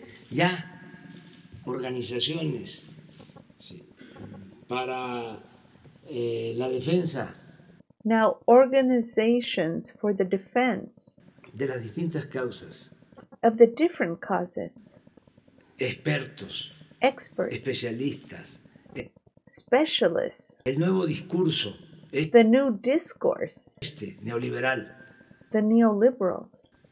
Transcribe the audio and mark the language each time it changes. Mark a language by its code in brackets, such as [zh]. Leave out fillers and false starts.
[es] Ya organizaciones sí, para la defensa. [en] Now organizations for the defense [es] de las distintas causas. [en] Of the different causes. [es] Expertos. [en] Experts. [es] Especialistas. [en] Specialists. [es] El nuevo discurso. [en] The new discourse. [es] Neoliberal. [en] The neoliberals.